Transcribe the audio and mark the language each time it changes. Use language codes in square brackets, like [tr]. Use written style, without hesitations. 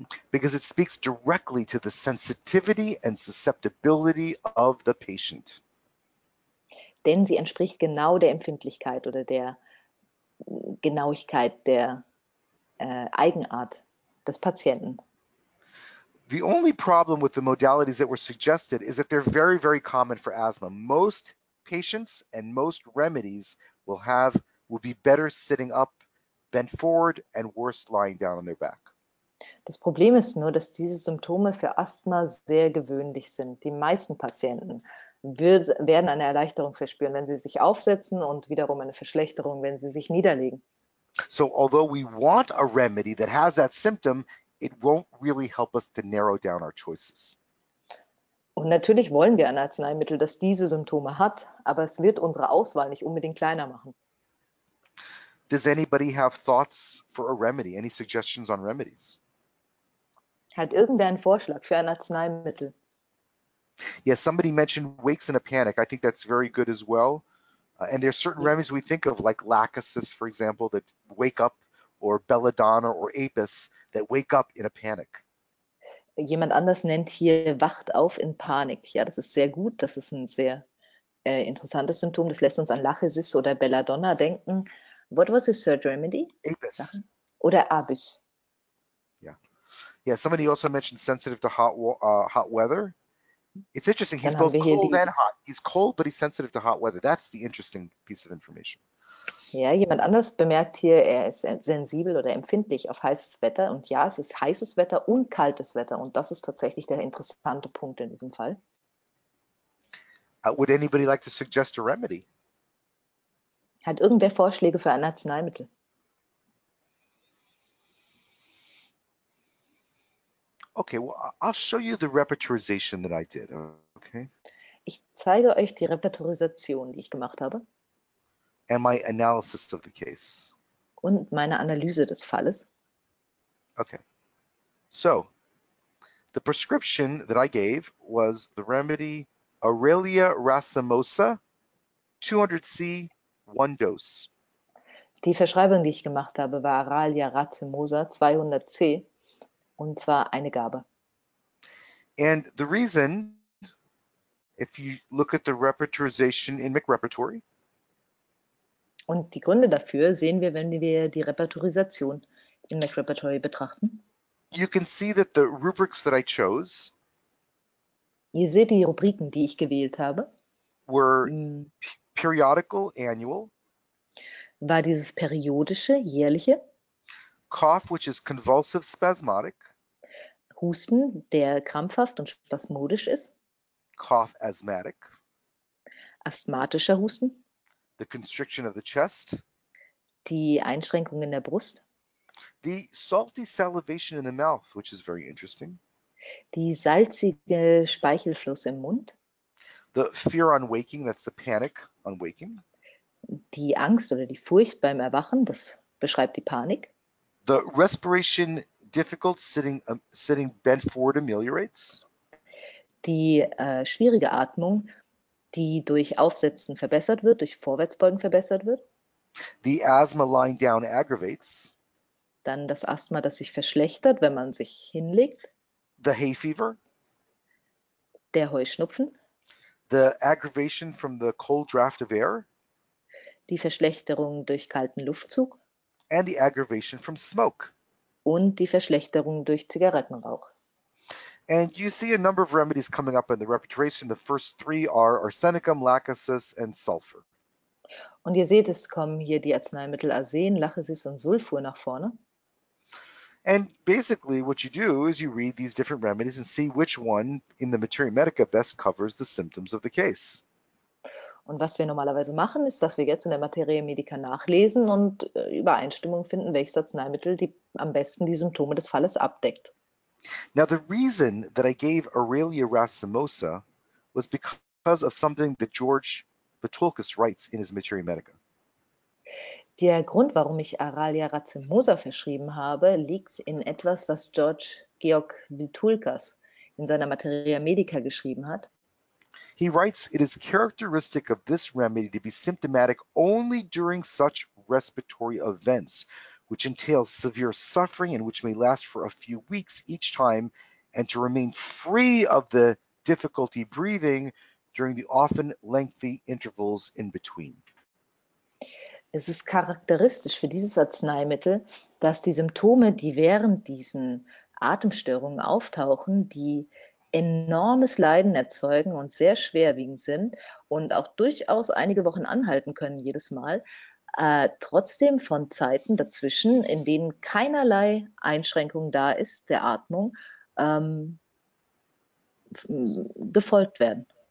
[en] Because it speaks directly to the sensitivity and susceptibility of the patient. [de] Denn sie entspricht genau der Empfindlichkeit oder der Genauigkeit der Eigenart des Patienten. [en] The only problem with the modalities that were suggested is that they're very, very common for asthma. Most patients and most remedies will be better sitting up, bent forward, and worse lying down on their back. [de] Das Problem ist nur, dass diese Symptome für Asthma sehr gewöhnlich sind. Die meisten Patienten werden eine Erleichterung verspüren, wenn sie sich aufsetzen und wiederum eine Verschlechterung, wenn sie sich niederlegen. [en] So, although we want a remedy that has that symptom, it won't really help us to narrow down our choices. [de] Und natürlich wollen wir ein Arzneimittel, das diese Symptome hat, aber es wird unsere Auswahl nicht unbedingt kleiner machen. [en] Does anybody have thoughts for a remedy? Any suggestions on remedies? [de] Hat irgendwer einen Vorschlag für ein Arzneimittel? [en] Yes, yeah, somebody mentioned wakes in a panic. I think that's very good as well. And there are certain remedies we think of, like Lachesis, for example, that wake up, or Belladonna or Apis that wake up in a panic. [de] Jemand anders nennt hier wacht auf in Panik. Ja, das ist sehr gut. Das ist ein sehr interessantes Symptom. Das lässt uns an Lachesis oder Belladonna denken. [en] What was the third remedy? Apis. [de] Oder Abis? [en] Yeah, somebody also mentioned sensitive to hot weather. It's interesting. He's [de] Dann haben [en] both [de] wir hier [en] cold and [de] die. [en] hot. He's cold, but he's sensitive to hot weather. That's the interesting piece of information. [de] Ja, jemand anders bemerkt hier, er ist sensibel oder empfindlich auf heißes Wetter. Und ja, es ist heißes Wetter und kaltes Wetter. Und das ist tatsächlich der interessante Punkt in diesem Fall. [en] Would anybody like to suggest a remedy? [de] Hat irgendwer Vorschläge für ein Arzneimittel? [en] Okay, well, I'll show you the repertorization that I did. Okay. [de] Ich zeige euch die Repertorisation, die ich gemacht habe. [en] And my analysis of the case. [de] Und meine Analyse des Falles. [en] Okay. So, the prescription that I gave was the remedy Aurelia racemosa, 200 C, one dose. [de] Die Verschreibung, die ich gemacht habe, war Aralia racemosa 200 C, und zwar eine Gabe. [en] And the reason, if you look at the repertorization in McRepertory, [de] Und die Gründe dafür sehen wir, wenn wir die Repertorisation im McRepertory betrachten. [en] you can see that the rubrics that I chose [de] Ihr seht die Rubriken, die ich gewählt habe. [en] were periodical, annual, [de] War dieses periodische, jährliche? [en] cough, which is convulsive, spasmodic, [de] Husten, der krampfhaft und spasmodisch ist? [en] cough, asthmatic, [de] Asthmatischer Husten? [en] the constriction of the chest, [de] Die Einschränkung in der Brust, [en] the salty salivation in the mouth, which is very interesting, [de] die salzige Speichelfluss im Mund, [en] the fear on waking, that's the panic on waking, [de] die Angst oder die Furcht beim Erwachen, das beschreibt die Panik, [en] the respiration difficult sitting bent forward ameliorates, [de] die schwierige Atmung, die durch Aufsetzen verbessert wird, durch Vorwärtsbeugen verbessert wird. [en] the asthma lying down aggravates, [de] Dann das Asthma, das sich verschlechtert, wenn man sich hinlegt. [en] the hay fever, [de] Der Heuschnupfen. [en] the aggravation from the cold draft of air, [de] Die Verschlechterung durch kalten Luftzug. [en] and the aggravation from smoke. [de] Und die Verschlechterung durch Zigarettenrauch. [en] And you see a number of remedies coming up in the repertoire. The first three are arsenicum, lachecis, and sulfur. [de] Und ihr seht, es kommen hier die Arzneimittel Arsen, Lachesis und Sulfur nach vorne. [en] And basically, what you do is you read these different remedies and see which one in the materia medica best covers the symptoms of the case. [de] Und was wir normalerweise machen, ist, dass wir jetzt in der Materie Medica nachlesen und Übereinstimmung finden, welches Arzneimittel die am besten die Symptome des Falles abdeckt. [en] Now, the reason that I gave Aurelia racemosa was because of something that George Vitulkis writes in his Materia Medica. [de] Der Grund, warum ich Aralia racemosa verschrieben habe, liegt in etwas, was Georg Vitulkas in seiner Materia Medica geschrieben hat. [en] He writes, it is characteristic of this remedy to be symptomatic only during such respiratory events, which entails severe suffering and which may last for a few weeks each time, and to remain free of the difficulty breathing during the often lengthy intervals in between. [de] Es ist charakteristisch für dieses Arzneimittel, dass die Symptome, die während diesen Atemstörungen auftauchen, die enormes Leiden erzeugen und sehr schwerwiegend sind und auch durchaus einige Wochen anhalten können jedes Mal, trotzdem von Zeiten dazwischen, in denen keinerlei Einschränkung da ist der Atmung, gefolgt werden.